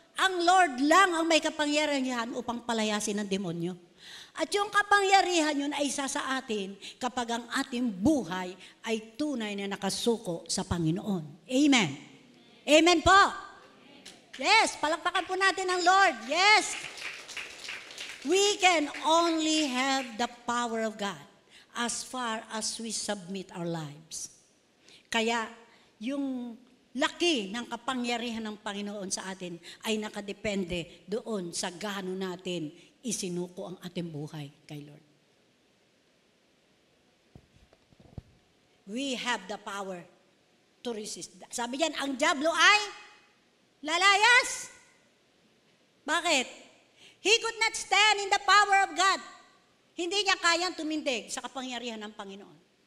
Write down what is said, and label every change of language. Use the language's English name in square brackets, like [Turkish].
[Filipino] Ang Lord lang ang may kapangyarihan upang palayasin ang demonyo. At yung kapangyarihan yun ay isa sa atin kapag ang ating buhay ay tunay na nakasuko sa Panginoon. Amen. Amen po. Yes, palakpakan po natin ang Lord. [English] Yes. We can only have the power of God as far as we submit our lives. [Filipino] Kaya yung laki ng kapangyarihan ng Panginoon sa atin ay nakadepende doon sa gaano natin isinuko ang ating buhay kay Lord. [English] We have the power to resist. [Filipino] Sabi niyan, ang Diablo ay lalayas. Bakit? [English] He could not stand in the power of God. [Filipino] Hindi niya kayang tumindig sa kapangyarihan ng Panginoon.